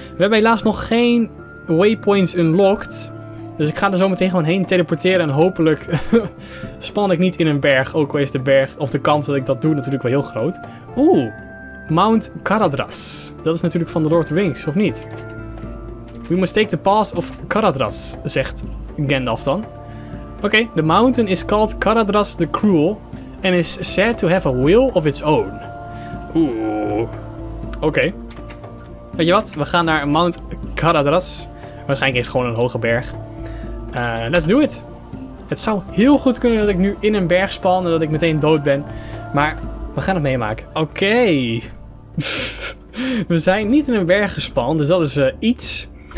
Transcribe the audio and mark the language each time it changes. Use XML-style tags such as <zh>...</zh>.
<nl>We hebben helaas nog geen...</nl> <en>waypoints unlocked.</en> <nl>Dus ik ga er zo meteen gewoon heen teleporteren en hopelijk span ik niet in een berg. Ook al is de berg of de kans dat ik dat doe natuurlijk wel heel groot. Oeh, Mount Caradhras. Dat is natuurlijk van de Lord of the Rings, of niet?</nl> <en>We must take the pass of Caradhras,</en> <nl>zegt Gandalf dan.</nl> <en>Oké, okay, the mountain is called Caradhras the Cruel and is said to have a will of its own.</en> <nl>Oeh, oké. Okay. Weet je wat? We gaan naar Mount Caradhras. Waarschijnlijk is het gewoon een hoge berg.</nl> <en>Let's do it.</en> <nl>Het zou heel goed kunnen dat ik nu in een berg span en dat ik meteen dood ben. Maar we gaan het meemaken. Oké. Okay. We zijn niet in een berg gespannen, dus dat is iets.</nl>